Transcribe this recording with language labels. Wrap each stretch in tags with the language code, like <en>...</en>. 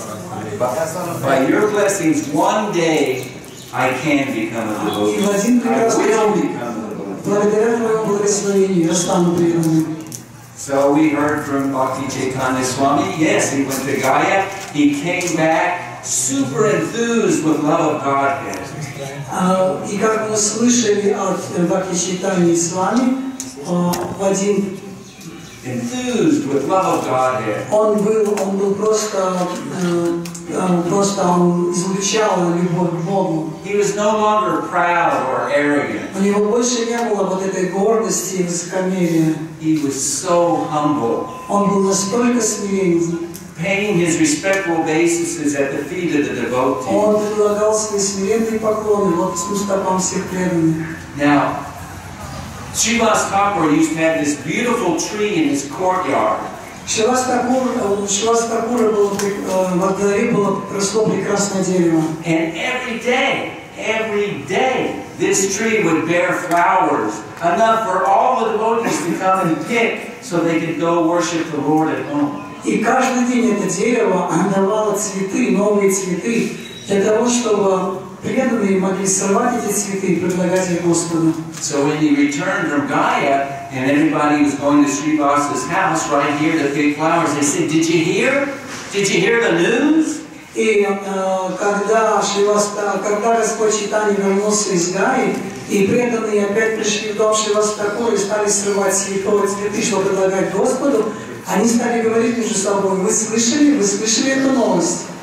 <en>By your blessings, one day I can become a devotee. I will become a devotee. So we heard from Bhakti Chaitanya Swami. Yes, he went to Gaya. He came back super enthused with love of Godhead.</en> <ru>И как мы слышали от Бхакти Чайтаньи Свами. Один</ru> <en>enthused with love of Godhead.</en> <ru>Он просто излучал любовь к Богу.</ru> <en>He was no longer proud or arrogant.</en> <ru>У него больше не было вот этой гордости и высокомерия.</ru> <en>He was so humble.</en> <ru>Он был настолько смиренен.</ru> <en>Paying his respectful obeisances at the feet of the devotees.</en> <ru>Он предлагал свои смиренные поклоны вот к стопам всех преданных.</ru> <en>Now. Shrivas Thakur used to have this beautiful tree in his courtyard.</en> <ru>Shrivas Thakur во дворе было росло прекрасное дерево.</ru> <en>And every day, this tree would bear flowers enough for all the devotees to come and pick, so they could go worship the Lord at home.</en> <ru>И каждый день это дерево давало цветы, новые цветы, для того чтобы преданные могли сорвать эти цветы и предлагать их Господу.</ru> <en>So when he returned from Gaya, and everybody was going to Srivas's house right here to pick flowers, they said, "Did you hear? Did you hear the news?"</en> <ru>И когда Господь Чайтанья вернулся из Гаи, и преданные опять пришли в дом Шривастакуры и стали срывать цветы, чтобы предлагать Господу, они стали говорить между собой: "Вы слышали эту новость?"</ru>